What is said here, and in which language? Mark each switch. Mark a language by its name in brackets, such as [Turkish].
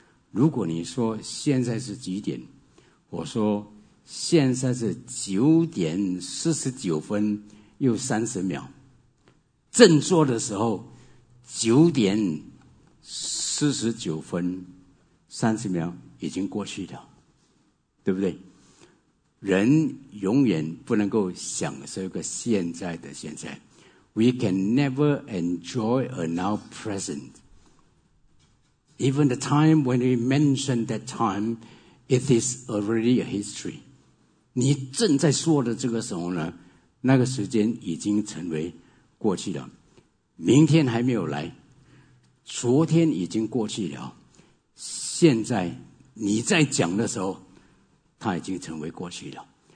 [Chinese] 如果你说现在是几点，我说现在是9:49:30，正坐的时候9:49:30已经过去了，对不对？人永远不能够享受一个现在的现在。 [English] We can never enjoy a now present. Even the time when we mention that time, it is already a history. [Chinese] 你正在说的这个时候呢，那个时间已经成为过去了。明天还没有来，昨天已经过去了。现在你在讲的时候，它已经成为过去了。